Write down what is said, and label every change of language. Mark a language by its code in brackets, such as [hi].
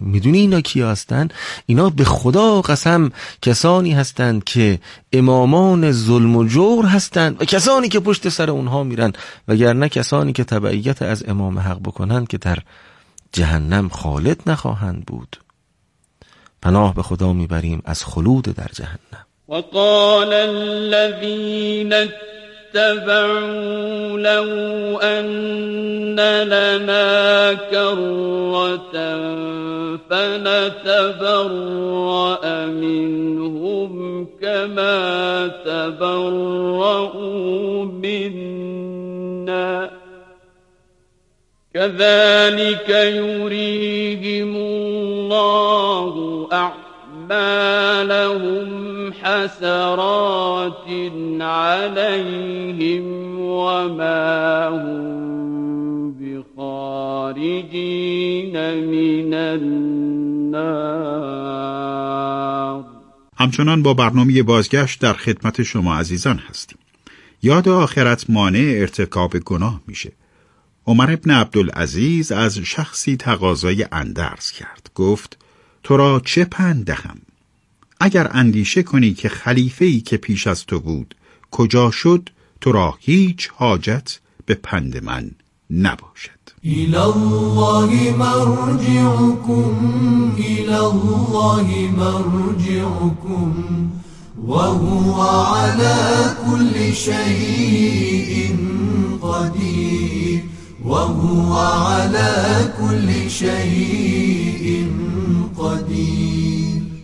[fa] میدونی اینا کیا هستند؟ اینا به خدا قسم کسانی هستند که امامان ظلم و جور هستند و کسانی که پشت سر اونها میرن، وگرنه کسانی که تبعیت از امام حق بکنند که در جهنم خالد نخواهند بود. پناه به خدا میبریم از خلود در جهنم. [ar] و قال الذین اتبعوا لو ان لنا کرة فنتبرأ منهم كما تبرأوا منا كذلك يريهم الله أعمالهم حسرات عليهم وما هم بخارجين من النار. [fa] همچنان با برنامه بازگشت در خدمت شما عزیزان هستیم. یاد آخرت مانع ارتکاب گناه میشه. عمر ابن عبدالعزیز از شخصی تقاضای اندرز کرد، گفت تو را چه پند دهم؟ اگر اندیشه کنی که خلیفه‌ای که پیش از تو بود کجا شد، تو را هیچ حاجت به پند من نباشد. [ar] الله مرجعكم الله مرجعكم وهو على كل شيء قدير وهو على كل شيء قدير.